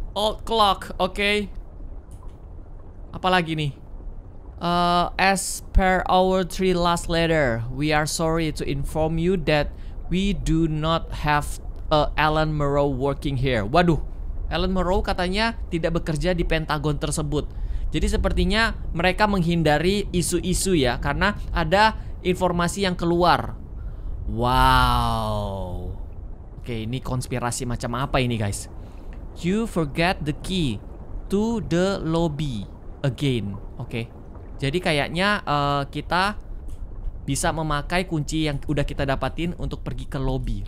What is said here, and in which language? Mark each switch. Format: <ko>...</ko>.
<id>Old clock, oke. Okay. Apalagi nih?</id> <en>As per our three last letter, we are sorry to inform you that we do not have Alan Moreau working here.</en> <id>Waduh, Alan Moreau katanya tidak bekerja di Pentagon tersebut. Jadi sepertinya mereka menghindari isu-isu ya, karena ada informasi yang keluar. Wow. Oke, ini konspirasi macam apa ini guys?</id> <en>You forget the key to the lobby again.</en> <id>Oke. Jadi kayaknya kita bisa memakai kunci yang udah kita dapatin untuk pergi ke lobby.</id>